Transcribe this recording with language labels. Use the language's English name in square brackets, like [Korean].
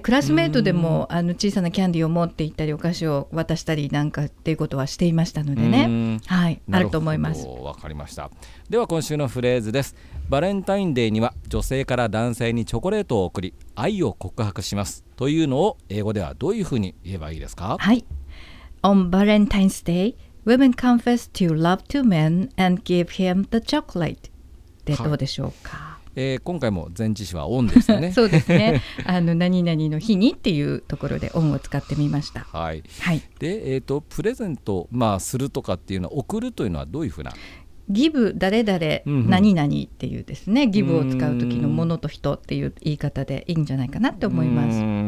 [Japanese] クラスメートでも小さなキャンディーを持って行ったりお菓子を渡したりなんかっていうことはしていましたのでね、はい、あると思います。わかりました。では今週のフレーズです。バレンタインデーには女性から男性にチョコレートを贈り愛を告白しますというのを英語ではどういうふうに言えばいいですか？ [English] はい、 On Valentine's Day, women confess to your love to men and give him the chocolate. [Japanese] でどうでしょうか？今回も前置詞はオンでしたねそうですね、何々の日にっていうところでオンを使ってみました。はい、はい、で、プレゼント、まあ、するとかっていうのは贈るというのはどういうふうな、ギブ誰々何々っていうですね、うん、ギブを使う時のものと人っていう言い方でいいんじゃないかなって思います。